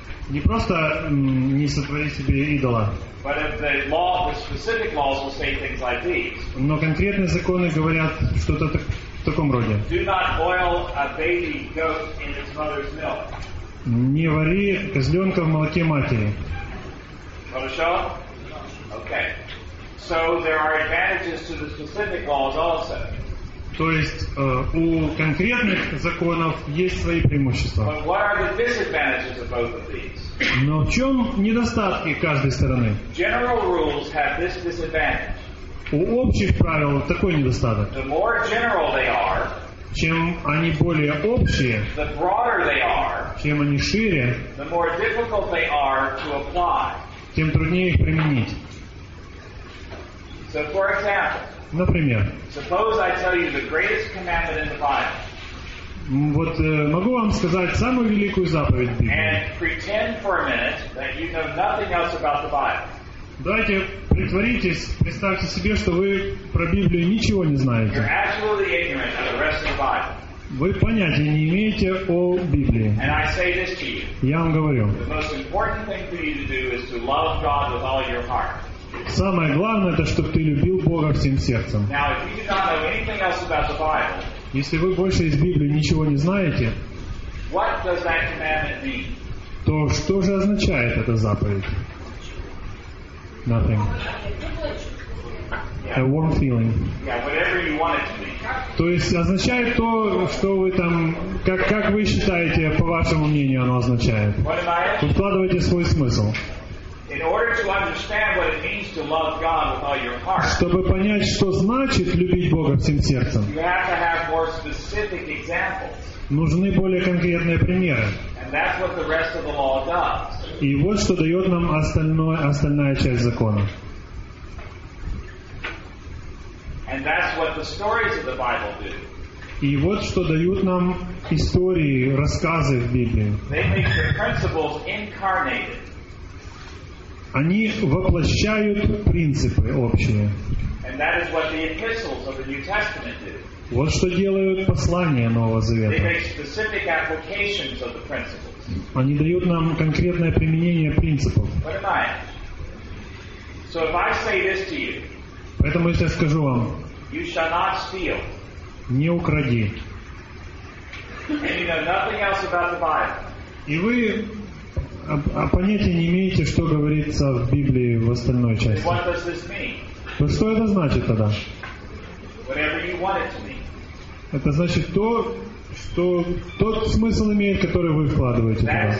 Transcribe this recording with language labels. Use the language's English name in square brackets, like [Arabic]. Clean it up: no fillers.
[Russian] Не просто не сотвори себе идола. [English] But if the law, the specific laws will say things like these. [Russian] Но конкретные законы говорят что-то в таком роде. [English] Do not boil a baby goat in its mother's milk. [Russian] Не вари козленка в молоке матери. Хорошо? [English] Okay. So there are advantages to the specific laws also. [Russian] То есть у конкретных законов есть свои преимущества. [English] But what are the disadvantages of both of these? [Russian] Но в чем недостатки каждой стороны? [English] General rules have this disadvantage. [Russian] У общих правил такой недостаток. [English] The more general they are, [Russian] чем они более общие, [English] the broader they are, [Russian] чем они шире, [English] the more difficult they are to apply. [Russian] Тем труднее их применить. [English] So, for example, [Russian] например, [English] suppose I tell you the greatest commandment in the Bible. [Russian] Вот могу вам сказать самую великую заповедь в Библии. [English] And pretend for a minute that you know nothing else about the Bible. [Russian] Давайте притворитесь, представьте себе, что вы про Библию ничего не знаете. [English] You're absolutely ignorant of the rest of the Bible. [Russian] Вы понятия не имеете о Библии. [English] And I say this to you. [Russian] Я вам говорю. [English] The most important thing for you to do is to love God with all your heart. [Russian] Самое главное, это чтобы ты любил Бога всем сердцем. [English] Now, if you do not know anything else about the Bible, [Russian] если вы больше из Библии ничего не знаете, [English] what does that commandment mean? [Russian] То что же означает эта заповедь? [English] Nothing. Yeah. A warm feeling. Yeah, whatever you want it to be. [Russian] То есть означает то, что вы там, как вы считаете, по вашему мнению, оно означает. Вкладывайте свой смысл. [English] In order to understand what it means to love God with all your heart. [Russian] Чтобы понять, что значит любить Бога всем сердцем. [English] You have to have more specific examples. [Russian] Нужны более конкретные примеры. [English] And that's what the rest of the law does. [Russian] И вот что дает нам остальная часть закона. [English] And that's what the stories of the Bible do. [Russian] И вот что дают нам истории, рассказы в Библии. [English] They make the principles incarnated. [Russian] Они воплощают принципы общие. [English] And that is what the epistles of the New Testament do. [Russian] Вот что делают послания Нового Завета. [English] They make specific applications of the principles. [Russian] Они дают нам конкретное применение принципов. [English] What am I? So if I say this to you, [Russian] поэтому если я скажу вам, [English] you shall not steal. [Russian] Не укради. [English] And you know nothing else about the Bible. [Russian] И вы понятия не имеете, что говорится в Библии в остальной части. [English] What does this mean? [Russian] То что это значит тогда? [English] Whatever you want it to mean. [Russian] Это значит то, что тот смысл имеет, который вы вкладываете туда.